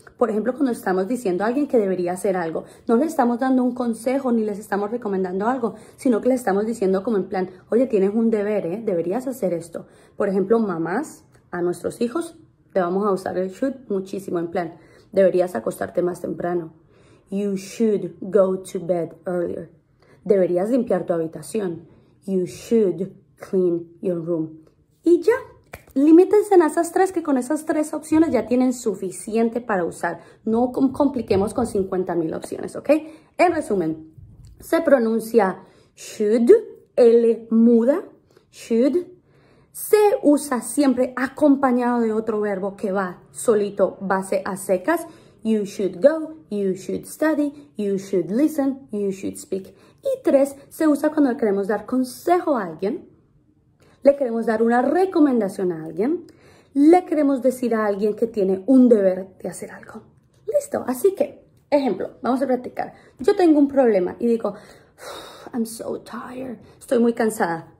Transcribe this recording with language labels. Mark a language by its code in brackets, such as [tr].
[es] Por ejemplo, cuando estamos diciendo a alguien que debería hacer algo, no le estamos dando un consejo ni les estamos recomendando algo, sino que le estamos diciendo como en plan, oye, tienes un deber, ¿eh? Deberías hacer esto. Por ejemplo, mamás, a nuestros hijos, te vamos a usar el should muchísimo en plan, deberías acostarte más temprano. [en] You should go to bed earlier. [es] Deberías limpiar tu habitación. [en] You should clean your room. [es] Y ya, limítense en esas tres, que con esas tres opciones ya tienen suficiente para usar. No compliquemos con 50,000 opciones, ¿ok? En resumen, se pronuncia should, L muda, should. Se usa siempre acompañado de otro verbo que va solito, base a secas. [en] You should go, you should study, you should listen, you should speak. [es] Y tres, se usa cuando queremos dar consejo a alguien, le queremos dar una recomendación a alguien, le queremos decir a alguien que tiene un deber de hacer algo. Listo, así que, ejemplo, vamos a practicar. Yo tengo un problema y digo, [en] I'm so tired, [es] estoy muy cansada.